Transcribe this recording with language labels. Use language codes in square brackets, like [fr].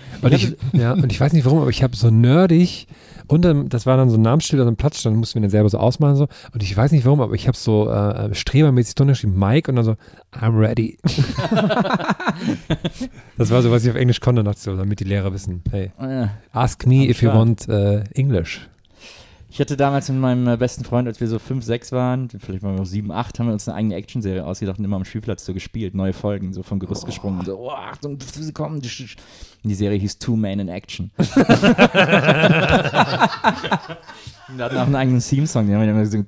[de] Und ich weiß nicht warum, aber ich habe so nerdig, und dann, das war dann so ein Namensschild oder so ein Platzstand, dann mussten wir dann selber so ausmalen. So. Und ich weiß nicht warum, aber ich habe so strebermäßig drunter geschrieben, Mike, und dann so, [en] I'm ready. [de] Das war so, was ich auf Englisch konnte, dachte ich so, damit die Lehrer wissen. [en] Hey, ask me if you want English. [de] Ich hatte damals mit meinem besten Freund, als wir so 5, 6 waren, vielleicht waren wir noch 7, 8, haben wir uns eine eigene Actionserie ausgedacht und immer am Spielplatz so gespielt, neue Folgen, so vom Gerüst gesprungen. So, oh, Achtung, sie kommen. Und die Serie hieß Two Men in Action. Wir hatten auch einen eigenen Theme-Song, den haben wir immer gesungen.